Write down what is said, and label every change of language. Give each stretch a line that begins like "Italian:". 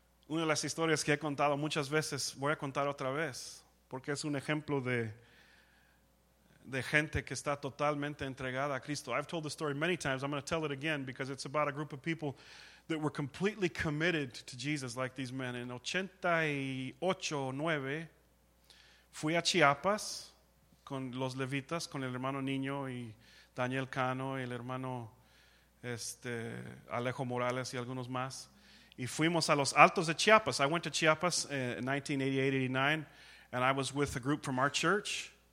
Spanish: Una de las historias que he contado muchas veces, voy a contar otra vez. Porque es un ejemplo de gente que está totalmente entregada a Cristo.
English: I've told the story many times. I'm going to tell it again because it's about a group of people that were completely committed to Jesus, like these men. In 88-9,
Spanish: fui a Chiapas con los levitas, con el hermano Niño y Daniel Cano y el hermano Alejo Morales y algunos más. Y fuimos a Los Altos de Chiapas.
English: I went to Chiapas in 1988-89, and I was with a group from our church.